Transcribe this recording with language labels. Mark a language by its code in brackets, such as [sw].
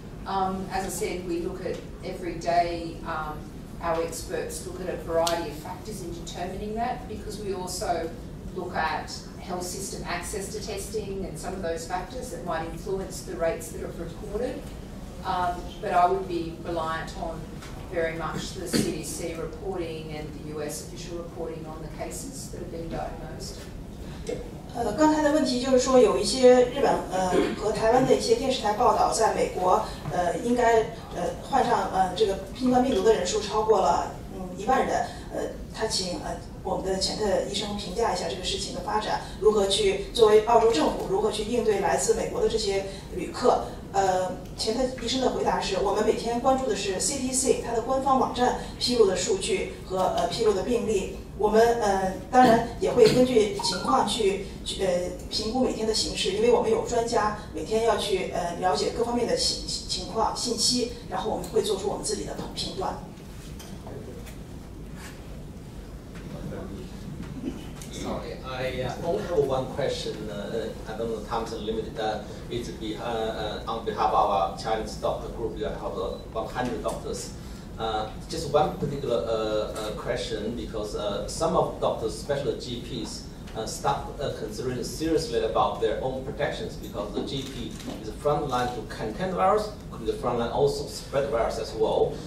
[en] As I said, we look at every day, our experts look at a variety of factors in determining that, because we also look at health system access to testing and some of those factors that might influence the rates that are reported. But I would be reliant on very much the CDC reporting and the US official reporting on the cases that have been diagnosed. [zh] 刚才的问题就是说，有一些日本和台湾的一些电视台报道，在美国应该患上这个新冠病毒的人数超过了一万人。他请我们的前特医生评价一下这个事情的发展，如何去作为澳洲政府如何去应对来自美国的这些旅客。前的医生的回答是，我们每天关注的是 CDC 它的官方网站披露的数据和披露的病例，我们当然也会根据情况去评估每天的形势，因为我们有专家每天要去了解各方面的情况信息，然后我们会做出我们自己的评断。 [en] Sorry, I only have one question. I don't know, time is limited. It's on behalf of our Chinese doctor group. We have 100 doctors. Just one particular question, because some of doctors, especially GPs, start considering seriously about their own protections, because the GP is frontline to contain the virus, could be the frontline also spread the virus as well.